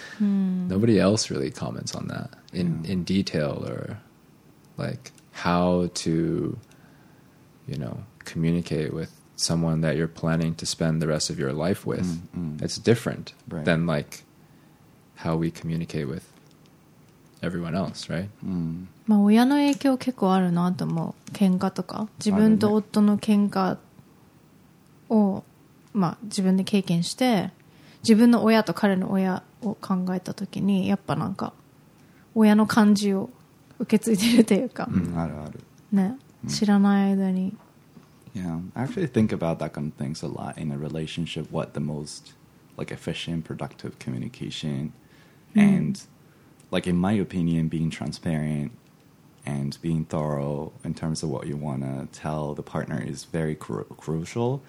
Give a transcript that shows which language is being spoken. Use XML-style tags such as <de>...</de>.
<en>Nobody else really comments on that in detail or like how to, you know, communicate with someone that you're planning to spend the rest of your life with. It's different than like how we communicate with everyone else, right?</en> <ja>まあ、親の影響結構あるなと思う。喧嘩とか自分と夫の喧嘩を、まあ、自分で経験して自分の親と彼の親を考えた時にやっぱなんか親の感じを受け継いでるというか、あるある、ね、知らない間に</ja> <en>Yeah, I actually think about that kind of things a lot in a relationship, what the most like efficient, productive communication and like in my opinion, being transparent and being thorough in terms of what you want to tell the partner is very crucial.</en>